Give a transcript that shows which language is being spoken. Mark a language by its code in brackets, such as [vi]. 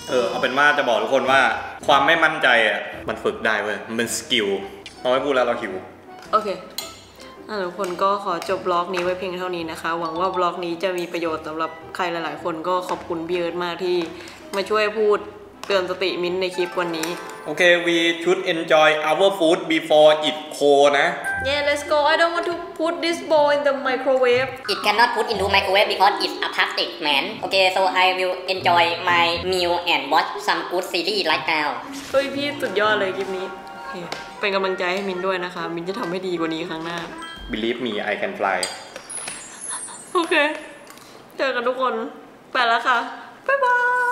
[th] เอาเป็นว่าจะบอกทุกคนว่าความไม่มั่นใจอะมันฝึกได้เว้ยมันเป็นสกิลเอาไว้พูดแล้วเราหิว โอเคทุกคนก็ขอจบบล็อกนี้ไว้เพียงเท่านี้นะคะหวังว่าบล็อกนี้จะมีประโยชน์สำหรับใครหลายๆคนก็ขอบคุณพี่เอิร์ทมากที่มาช่วยพูดเตือนสติมิ้นในคลิปวันนี้โอเค [en] we should enjoy our food before it cold นะ yeah let's go I don't want to put this bowl in the microwave it cannot put into microwave because it's a plastic man okay so I will enjoy my meal and watch some good series right now [th] เฮ้ยพี่สุดยอดเลยคลิปนี้เป็นกำลังใจให้มิ้นด้วยนะคะมิ้นจะทำให้ดีกว่านี้ครั้งหน้า [en] Believe me, I can fly. [th] Okay. เจอกันทุกคนไปแล้วค่ะบ๊ายบาย